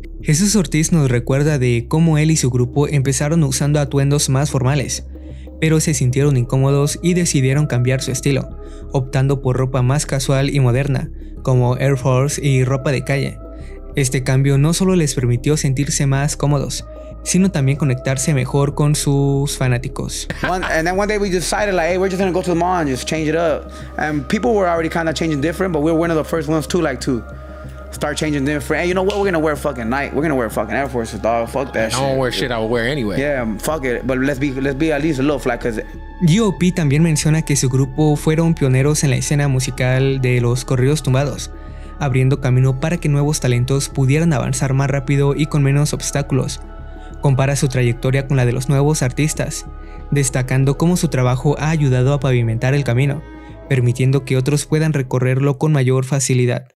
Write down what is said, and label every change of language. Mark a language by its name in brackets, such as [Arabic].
[Spanish] Jesús Ortiz nos recuerda de cómo él y su grupo empezaron usando atuendos más formales, pero se sintieron incómodos y decidieron cambiar su estilo, optando por ropa más casual y moderna, como Air Force y ropa de calle. Este cambio no solo les permitió sentirse más cómodos, sino también conectarse mejor con sus fanáticos. [English] And then one day we decided like, hey, we're just gonna go to the mall and just change it up. And people were already kind of changing different, but we were one of the first ones too, like to start changing different. Hey, you know what? We're gonna wear fucking Nike. We're gonna wear fucking Air Force, dog. Fuck that shit. I don't wear shit I would wear anyway. Yeah, fuck it. But let's be at least a little flat, cause. G.O.P. [Spanish] también menciona que su grupo fueron pioneros en la escena musical de los corridos tumbados, abriendo camino para que nuevos talentos pudieran avanzar más rápido y con menos obstáculos. Compara su trayectoria con la de los nuevos artistas, destacando cómo su trabajo ha ayudado a pavimentar el camino, permitiendo que otros puedan recorrerlo con mayor facilidad.